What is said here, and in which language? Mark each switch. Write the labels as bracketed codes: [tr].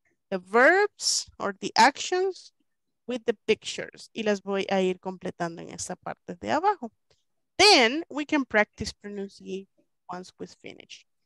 [en] The verbs or the actions with the pictures. [es] Y las voy a ir completando en esta parte de abajo. [en] Then, we can practice pronunciation once we finish.